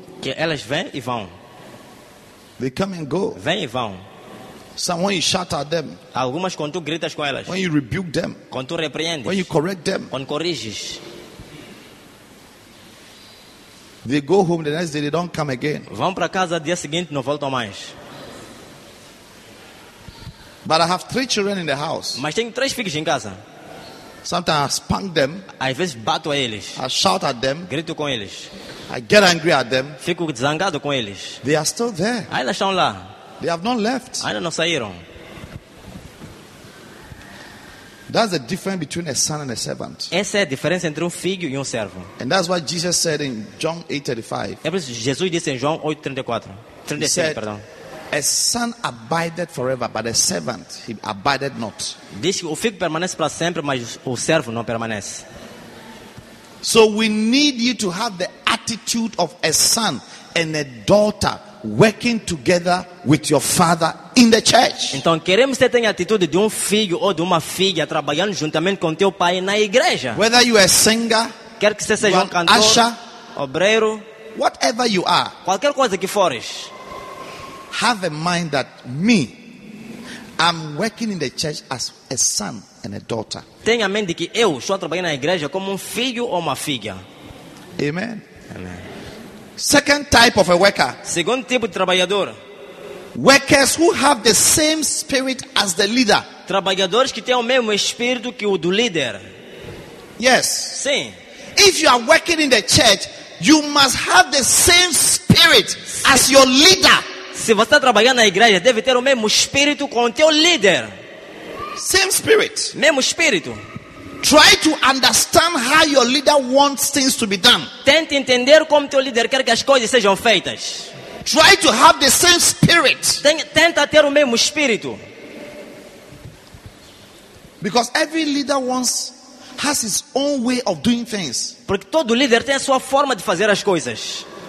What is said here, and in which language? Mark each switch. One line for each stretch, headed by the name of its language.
Portuguese: Que elas vêm e vão.
English: They come and go.
Portuguese: Vêm e vão.
English: Some when you shout at them.
Portuguese: Algumas quando tu gritas com elas.
English: When you rebuke them.
Portuguese: Quando tu repreendes.
English: When you correct them.
Portuguese: Quando corriges.
English: They go home the next day, they don't come again.
Portuguese: Vão para casa dia seguinte, não voltam mais.
English: But I have 3 children in the house.
Portuguese: Mas tenho 3 filhos em casa.
English: Sometimes I spank them.
Portuguese: Às vezes bato a eles.
English: I shout at them.
Portuguese: Grito com eles.
English: I get angry at them.
Portuguese: Fico zangado com eles.
English: They are still there.
Portuguese: Ainda estão lá.
English: They have not left.
Portuguese: Ainda não saíram.
English: That's the difference between a son and a servant.
Portuguese: Essa é a diferença entre filho e servo.
English: And that's what Jesus said in John 8:35.
Portuguese: É por isso que Jesus disse em João 8:34.
English: 35, said,
Portuguese: perdão.
English: A son abided forever, but a servant he abided not.
Portuguese: Diz que o filho permanece para sempre, mas o servo não permanece.
English: So we need you to have the attitude of a son and a daughter working together with your father in the church.
Portuguese: Então queremos que você tenha a atitude de filho ou de uma filha trabalhando juntamente com teu pai na igreja.
English: Whether you are a singer,
Portuguese: quer que você seja cantor,
English: usher,
Portuguese: obreiro,
English: whatever you are,
Portuguese: qualquer coisa que fores.
English: have a mind that me, I'm working in the church as a son and a daughter.
Portuguese: Tenha a mente que eu estou a trabalhar na igreja como filho ou uma filha.
English: Amen. Amen. Second type of a worker.
Portuguese: Segundo tipo de trabalhador.
English: Workers who have the same spirit as the leader.
Portuguese: Trabalhadores que têm o mesmo espírito que o do líder.
English: Yes.
Portuguese: Sim.
English: If you are working in the church, you must have the same spirit as your leader.
Portuguese: Se você está trabalhando na igreja, deve ter o mesmo espírito com o teu líder.
English: Same spirit.
Portuguese: Mesmo espírito.
English: Try to understand how your leader wants things to be done.
Portuguese: Tente entender como teu líder quer que as coisas sejam feitas.
English: Try to have the same spirit.
Portuguese: Tenta ter o mesmo espírito.
English: Because every leader wants has his own way of doing things.
Portuguese: Porque todo líder tem a sua forma de fazer as coisas.